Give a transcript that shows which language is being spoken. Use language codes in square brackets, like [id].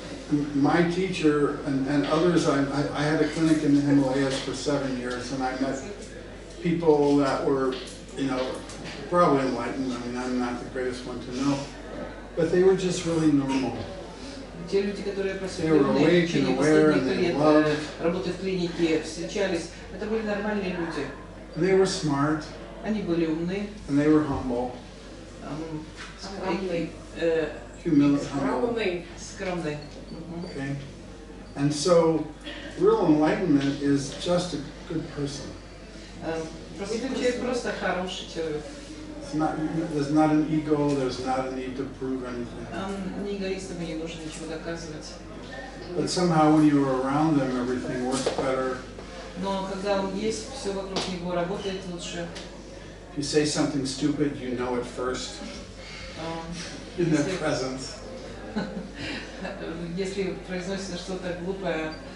[en] my teacher and others, I had a clinic in the Himalayas for 7 years, and I met people that were, you know, probably enlightened. I mean, I'm not the greatest one to know, but they were just really normal. [ru] Те люди, которые просветленные, клинике, встречались, это были нормальные люди. [en] And they were smart. [ru] Они были умны. [en] And they were humble. [ru] Скромные. [en] Okay. And so, real enlightenment is just a good person. [ru] Просто хороший человек. [en] There's not an ego, there's not a need to prove anything. [ru] Не эгоистам не нужно ничего доказывать. [en] But somehow when you are around them, everything works better. [ru] Но когда он есть, все вокруг него работает лучше. [en] If you say something stupid, you know it first. In their presence. [ru] Если произносится что-то глупое,